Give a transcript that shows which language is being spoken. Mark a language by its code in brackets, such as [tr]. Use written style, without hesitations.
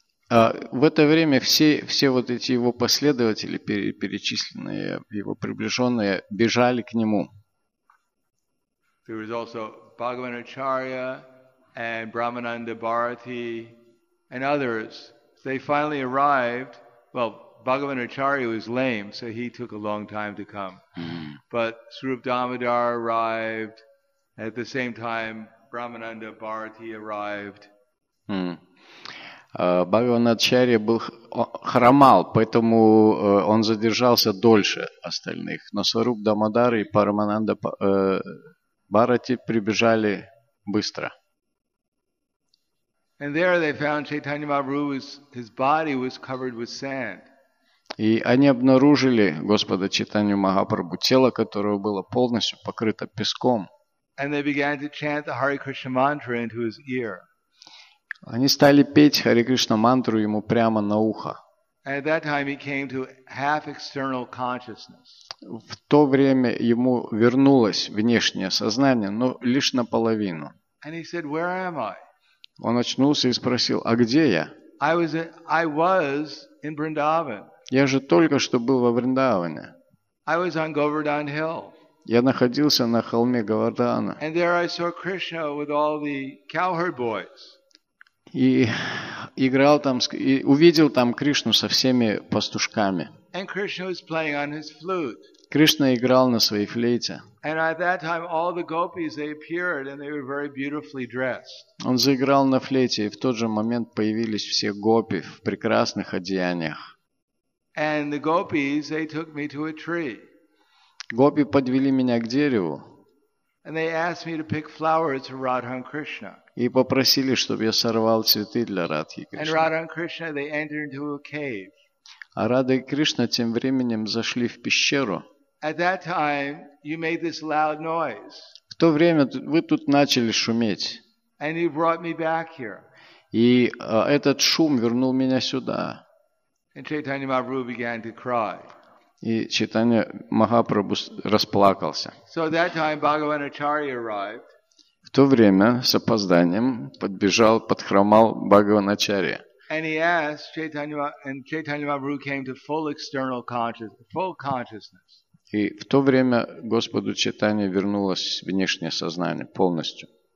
[ru] В это время все вот эти его последователи, перечисленные, его приближенные, бежали к нему. [en] There was also Bhagavan Acharya and Brahmananda Bharati and others. They finally arrived. Well, Bhagavan Acharya was lame, so he took a long time to come. But Srup Damodar arrived. At the same time, Brahmananda Bharati arrived. [ru] Бхагаван Ачарья был хромал, поэтому он задержался дольше остальных. Но Сваруп Дамодар и Парамананда Бхарати прибежали быстро. [en] And there they found Chaitanya Mahaprabhu, his body was covered with sand. [ru] И они обнаружили Господа Чайтанью Махапрабху, тело которого было полностью покрыто песком. [en] And they began to chant the Hare Krishna mantra into his ear. [ru] Они стали петь Харе Кришна мантру ему прямо на ухо. [en] And at that time he came to half external consciousness. [ru] В то время ему вернулось внешнее сознание, но лишь наполовину. [en] And he said, "Where am I?" [ru] Он очнулся и спросил: "А где я?" [en] I was in Vrindavan. [ru] Я же только что был во Вриндаване. [en] I was on Govardhan Hill. [ru] Я находился на холме Говардхана. [en] And there I saw Krishna with all the cowherd boys. [ru] И играл там, и увидел там Кришну со всеми пастушками. [en] And Krishna was playing on his flute. [ru] Кришна играл на своей флейте. [en] And at that time all the gopis, they appeared and they were very beautifully dressed. [ru] Он заиграл на флейте, и в тот же момент появились все гопи в прекрасных одеяниях. [en] And the gopis, they took me to a tree. [ru] Гопи подвели меня к дереву. [en] And they asked me to pick flowers for Radha and Krishna. [ru] И попросили, чтобы я сорвал цветы для Радхи и Кришны. [en] And Radha and Krishna, they entered into a cave. [ru] А Радха и Кришна тем временем зашли в пещеру. [en] At that time, you made this loud noise. [ru] В то время вы тут начали шуметь. [en] And you brought me back here. [ru] И этот шум вернул меня сюда. [en] And Chaitanya Mahaprabhu began to cry. [ru] И Чайтанья Махапрабху расплакался. [en] So that time, Bhagavan Acharya arrived. [ru] В то время с опозданием подбежал, подхромал Бхагаван Ачарья. [en] And he asked Chaitanya, and Chaitanya Mahaprabhu came to full external consciousness. [ru] И в то время Господу Чайтанье вернулось внешнее сознание полностью.